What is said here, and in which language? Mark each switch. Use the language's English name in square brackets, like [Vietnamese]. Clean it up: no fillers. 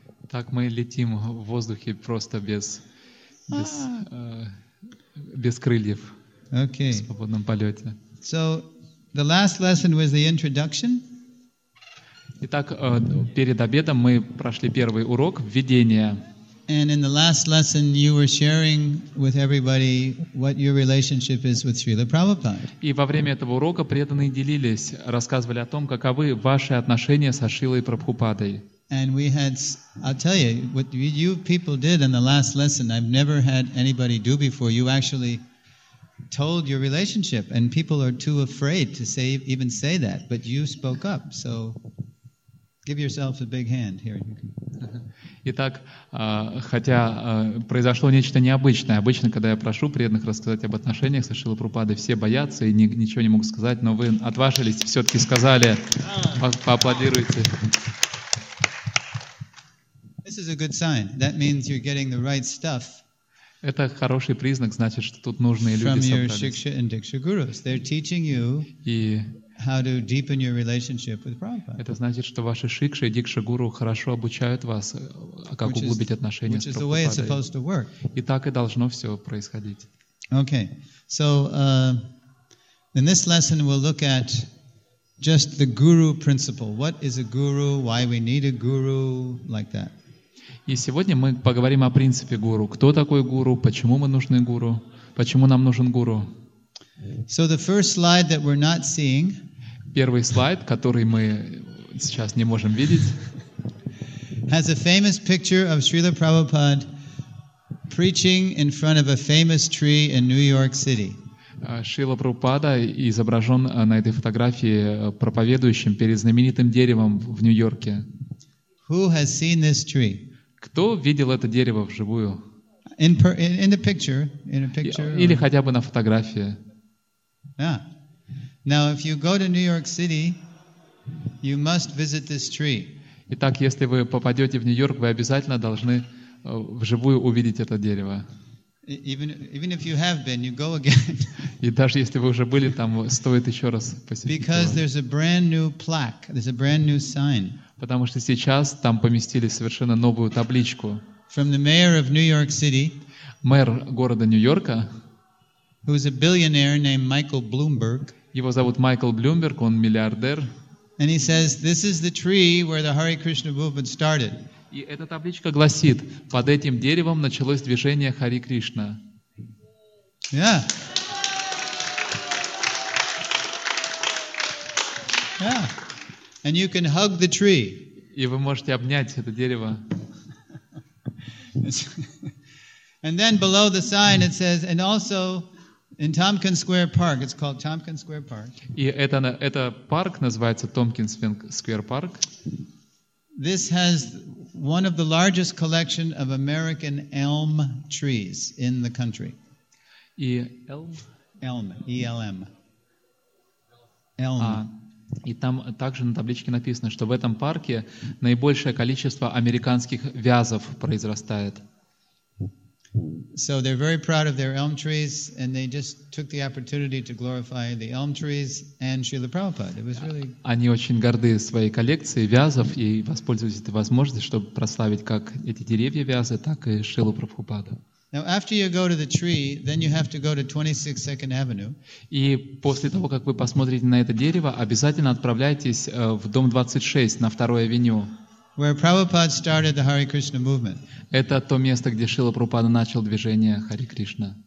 [Russian] Так мы летим в воздухе просто без крыльев. [English] Okay. [Russian] В свободном полете. [English] So the last lesson was the introduction. [Russian] Итак, перед обедом мы прошли первый урок введения. [English] And in the last lesson, you were sharing with everybody what your relationship is with Srila Prabhupada. [Russian] И во время этого урока преданные делились, рассказывали о том, каковы ваши отношения со Шрилой Прабхупадой. [English] And we had, I'll tell you, what you people did in the last lesson, I've never had anybody do before. You actually told your relationship, and people are too afraid to say even say that. But you spoke up, so give yourself a big hand here. [Russian] Итак, хотя произошло нечто необычное. Обычно, когда я прошу преданных рассказать об отношениях со Шрилой Прабхупадой, все боятся и ничего не могут сказать, но вы отважились, все-таки сказали. Поаплодируйте. [English] This is a good sign. That means you're getting the right stuff. [Russian] Это хороший признак, значит, что тут нужные люди собрались. [English] From your Shiksha and Diksha Gurus. They're teaching you how to deepen your relationship with Prabhupada. [Russian] Это значит, что ваши шикши и дикша гуру хорошо обучают вас, как углубить отношения с Прабхупадой. [English] Which is the way it's supposed to work. [Russian] И так и должно все происходить. [English] Okay. So, in this lesson we'll look at just the guru principle. What is a guru? Why we need a guru? Like that. [Russian] И сегодня мы поговорим о принципе гуру. Кто такой гуру? Почему мы нужны гуру? Почему нам нужен гуру? [English] So the first slide that we're not seeing. [Russian] Первый слайд, который мы сейчас не можем видеть. [English] Has a famous picture of Srila Prabhupada preaching in front of a famous tree in New York City. [Russian] Шрила Прабхупада изображен на этой фотографии проповедующим перед знаменитым деревом в Нью-Йорке. [English] Who has seen this tree? [Russian] Кто видел это дерево вживую? [English] In a picture. [Russian] Или хотя бы на фотографии. [English] Yeah. Now, if you go to New York City, you must visit this tree. [Russian] Итак, если вы попадете в Нью-Йорк, вы обязательно должны вживую увидеть это дерево. [English] Even if you have been, you go again. [Russian] И даже если вы уже были там, стоит еще раз посетить. [English] Because there's a brand new plaque, there's a brand new sign. [Russian] Потому что сейчас там поместили совершенно новую табличку. [English] From the mayor of New York City. [Russian] Мэр города Нью-Йорка. [English] Who is a billionaire named Michael Bloomberg? [Russian] Его зовут Майкл Блумберг, он миллиардер. [English] And he says, "This is the tree where the Hare Krishna movement started." [Russian] И эта табличка гласит: под этим деревом началось движение Хари Кришна. [English] Yeah. Yeah. And you can hug the tree. [Russian] И вы можете обнять это дерево. [English] And then below the sign it says, "And also." In Tompkins Square Park, it's called Tompkins Square Park. [Russian] И это парк называется Tompkins Square Park. [English] This has one of the largest collection of American elm trees in the country. [Russian] И [English] Elm. [Russian] И там также на табличке написано, что в этом парке наибольшее количество американских вязов произрастает. [English] So they're very proud of their elm trees, and they just took the opportunity to glorify the elm trees and Srila Prabhupada. It was really. [Russian] Они очень горды своей коллекцией вязов и воспользовались этой возможностью, чтобы прославить как эти деревья вязы, так и Шрилу Прабхупаду. [English] Now, after you go to the tree, then you have to go to 26 Second Avenue. [Russian] И после того, как вы посмотрите на это дерево, обязательно отправляйтесь в дом 26 на Второй Авеню. [English] Where Prabhupada started the Hare Krishna movement. [Russian] Это то место, где Шрила Прабхупада начал движение Хари Кришна.